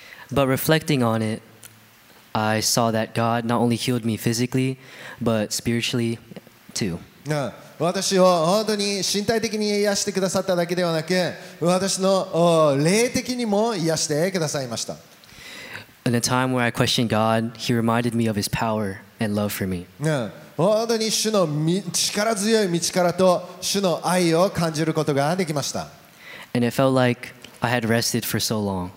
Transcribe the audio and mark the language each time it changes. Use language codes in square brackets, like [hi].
[en] But reflecting on it, I saw that God not only healed me physically, but spiritually too. [ja] 私を本当に身体的に癒してくださっただけではなく、私の霊的にも癒してくださいました。 [en] In a time where I questioned God, He reminded me of His power and love for me. [ja] 本当に主の力強い道からと主の愛を感じることができました。 [en] And it felt like I had rested for so long.